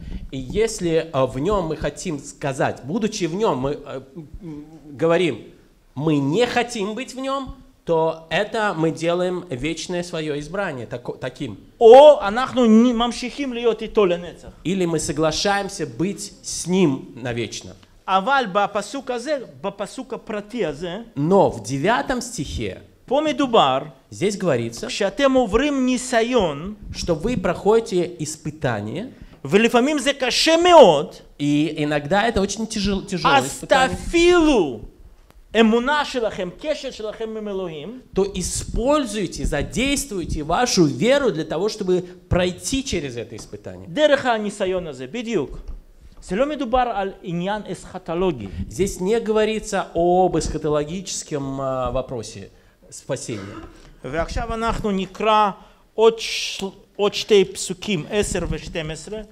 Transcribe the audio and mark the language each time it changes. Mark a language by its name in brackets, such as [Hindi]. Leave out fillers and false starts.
[Russian] И если в Нем мы хотим сказать, будучи в Нем, мы говорим, мы не хотим быть в Нем, то это мы делаем вечное свое избрание таким. [Hebrew] О, אנחנו ממשיכים להיות איתו לנצח. [Russian] Или мы соглашаемся быть с ним навечно. [Hebrew] אבל בפסוק הזה, בפסוק הפרטי הזה, [Russian] но в 9 стихе [Hebrew] פה מדובר, [Russian] здесь говорится, [Hebrew] שאתם עוברים ניסיון, [Russian] что вы проходите испытание, [Hebrew] ולפעמים זה קשה מאוד, [Russian] и иногда это очень тяжелое испытание. [Hebrew] אסתפילו אמונה שלכם, קשר שלכם עם אלוהים, [Russian] то используйте, задействуйте вашу веру для того, чтобы пройти через это испытание. [Hebrew] דרך הניסיון הזה, בדיוק. זה לא מדובר על עניין אסכתולוגי. [Russian] Здесь не говорится об эсхатологическом вопросе спасения. [Hebrew] ועכשיו אנחנו נקרא עוד שתי פסוקים, 10 ו-12.